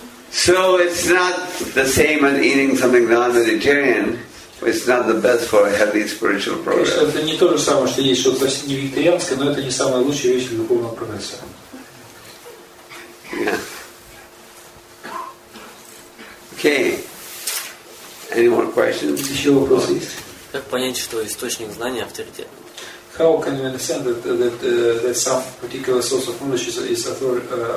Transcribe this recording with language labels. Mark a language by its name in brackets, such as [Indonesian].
[English] So it's not the same as eating something non-vegetarian. It's not the best for a healthy spiritual progress. [Russian] Это не то же самое, что есть что-то не вегетарианское, но это не самая лучшая вещь для духовного прогресса. [English] Okay. Any more questions? [Russian] Еще вопросы есть? Как понять, что источник знания авторитет? [English] How can we understand that some particular source of knowledge is authoritative?